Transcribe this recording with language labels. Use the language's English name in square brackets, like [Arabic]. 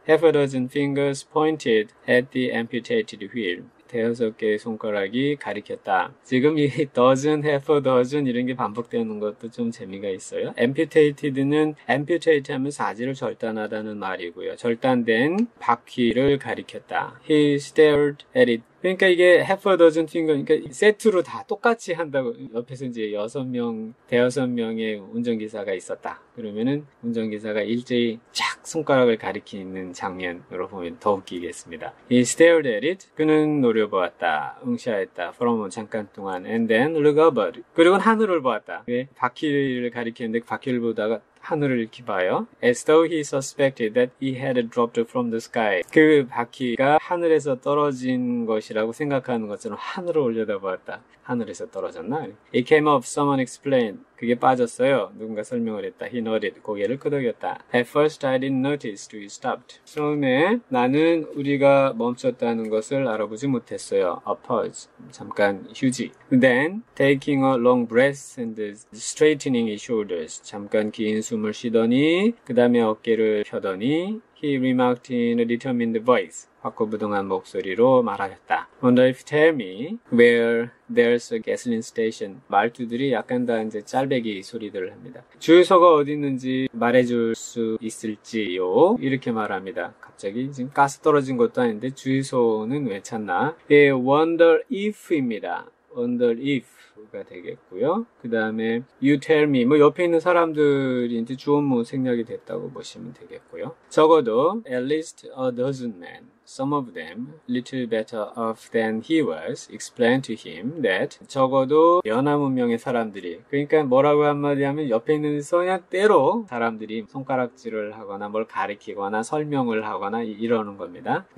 [English] Half a dozen fingers pointed at the amputated wheel. [Korean] 대여섯 개의 손가락이 가리켰다. 지금 이 dozen, [English] half a dozen [Korean] 이런 게 반복되는 것도 좀 재미가 있어요. Amputated는 amputate 하면 사지를 절단하다는 말이고요. 절단된 바퀴를 가리켰다. [English] He stared at it. [Korean] 그러니까 이게 half a dozen finger, 그러니까 세트로 다 똑같이 한다고 옆에서 이제 대여섯 명의 운전기사가 있었다. 그러면은 운전기사가 일제히 착 손가락을 가리키는 장면으로 보면 더 웃기겠습니다. [English] He stared at it. [Korean] 그는 노려보았다. 응시하였다. From 잠깐 동안. [English] And then look upward. [Korean] 그리고 하늘을 보았다. 네? 바퀴를 가리키는데 바퀴를 보다가 하늘을 이렇게 봐요. [English] As though he suspected that he had dropped from the sky. [Korean] 그 바퀴가 하늘에서 떨어진 것이라고 생각하는 것처럼 하늘을 올려다보았다. 하늘에서 떨어졌나? [English] It came off, someone explained. [Korean] 그게 빠졌어요. 누군가 설명을 했다. [English] He nodded. [Korean] 고개를 끄덕였다. [English] At first I didn't notice, we stopped. [Korean] 처음에 나는 우리가 멈췄다는 것을 알아보지 못했어요. [English] A pause. [Korean] 잠깐 휴지. [English] Then, taking a long breath and straightening his shoulders. [Korean] 잠깐 긴 숨을 쉬더니, 그 다음에 어깨를 펴더니, [English] He remarked in a determined voice. [Korean] 확고부동한 목소리로 말하였다. [English] Wonder if tell me where there's a gasoline station. [Korean] 말투들이 약간 다 이제 짤배기 소리들을 합니다. 주유소가 어디 있는지 말해줄 수 있을지요? 이렇게 말합니다. 갑자기 지금 가스 떨어진 것도 아닌데 주유소는 왜 찾나? [English] They wonder if [Korean] 입니다. Wonder if가 되겠고요. 그 다음에 you tell me 뭐 옆에 있는 사람들이 이제 주원문 생략이 됐다고 보시면 되겠고요. 적어도 [English] at least a dozen men, some of them little better off than he was, explained to him that [Korean] 적어도 연하문명의 사람들이 그러니까 뭐라고 한마디 하면 옆에 있는 그냥 때로 사람들이 손가락질을 하거나 뭘 가리키거나 설명을 하거나 이러는 겁니다.